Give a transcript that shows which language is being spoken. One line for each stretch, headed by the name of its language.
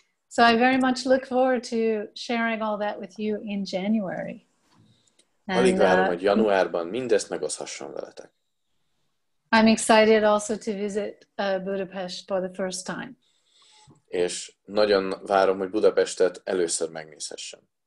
English: So I very much look forward to sharing all that with you in January.
Hungarian: Alig várom, hogy januárban mindezt megoszhasson veletek.
English: I'm excited also to visit Budapest for the first time.
Hungarian: És nagyon várom, hogy Budapestet először megnézhessem.